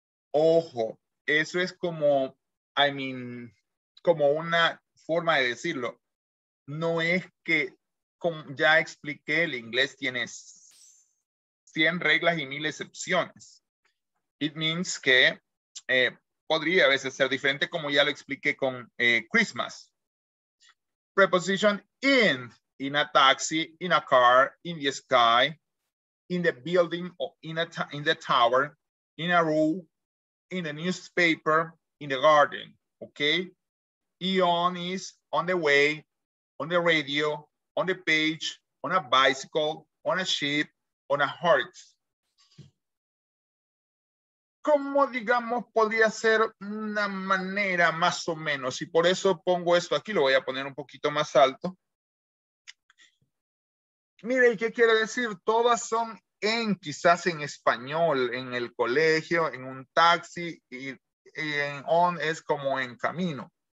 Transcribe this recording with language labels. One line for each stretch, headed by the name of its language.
Spanish: Ojo, eso es como,
English: I mean,
Spanish: como una forma de decirlo. No es que, como ya expliqué, el inglés tiene 100 reglas y 1000 excepciones.
English: It means
Spanish: que podría a veces ser diferente, como ya lo expliqué con Christmas.
English: Preposition in a taxi, in a car, in the sky, in the building, or in the tower, in a room, in the newspaper, in the garden, okay? Ion is on the way, on the radio, on the page, on a bicycle, on a ship, on a horse.
Spanish: ¿Cómo digamos podría ser una manera más o menos? Y por eso pongo esto aquí, lo voy a poner un poquito más alto. Mire, ¿y qué quiere decir? Todas son en, quizás en español, en el colegio, en un taxi, y en on es como en camino.